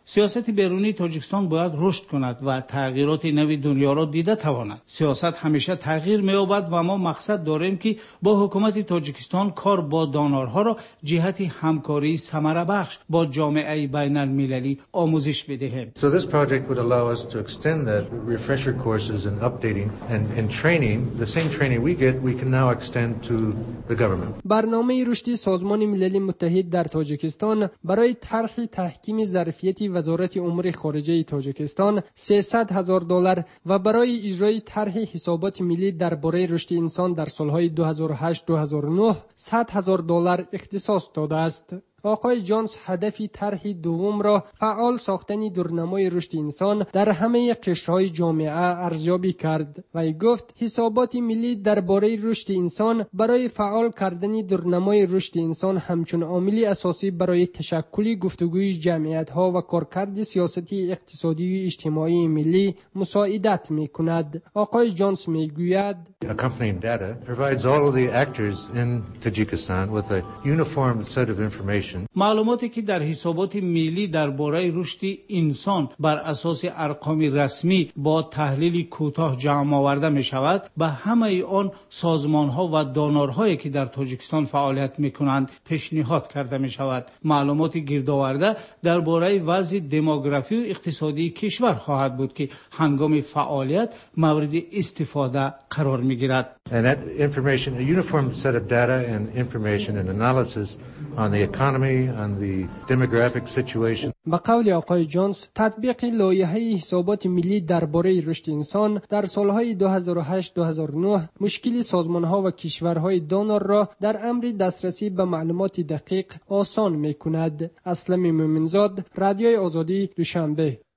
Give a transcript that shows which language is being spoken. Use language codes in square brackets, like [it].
[fa] سیاست بیرونی تاجیکستان باید رشد کند و تغییرات نوی دنیا را دیده تواند. سیاست همیشه تغییر مییابد و ما مقصد داریم که با حکومت تاجیکستان کار با دانارها را جهت همکاری ثمره بخش با جامعه بین المللی آموزش بدهیم. [en] So this project would allow us to extend the refresher courses and updating and training, the same training we get, we can now extend to the government. [fa] برنامه رشد سازمان ملل متحد در تاجیکستان برای طرح تحکیم ظرفیت وزارت امور خارجه تاجیکستان $300,000 و برای اجرای طرح حسابات ملی درباره رشد انسان در سالهای 2008-2009 $100,000 اختصاص داده است. آقای جانس هدف طرح دوم را فعال ساختن دورنمای رشد انسان در همه قشرهای جامعه ارزیابی کرد و گفت حسابات ملی درباره رشد انسان برای فعال کردن دورنمای رشد انسان همچون عاملی اساسی برای تشکل گفتگوی جمعیت ها و کارکرد سیاستی اقتصادی و اجتماعی ملی مساعدت می کند. آقای جانس می گوید: [en] Accompanying data provides all of the actors in Tajikistan with a uniform set of information. [fa] معلوماتی که در حسابات ملی درباره رشد انسان بر اساس ارقام رسمی با تحلیل کوتاه جمع آورده می شود، به همه آن سازمان ها و دانارهایی که در تاجیکستان فعالیت می کنند پیشنهاد کرده می شود. معلومات گردآورده درباره وضع دموگرافی و اقتصادی کشور خواهد بود که هنگام فعالیت مورد استفاده قرار می گیرد. [en] And that information, a uniform set of data and information and analysis on the economy and the demographic situation. [fa] به قول آقای جانس، تطبیق لایحه حسابات ملی درباره رشد انسان در سالهای 2008-2009 مشکل سازمانها و کشورهای دانار را در امر دسترسی به معلومات دقیق آسان میکند. اسلم مومنزاد، رادیوی آزادی، دوشنبه.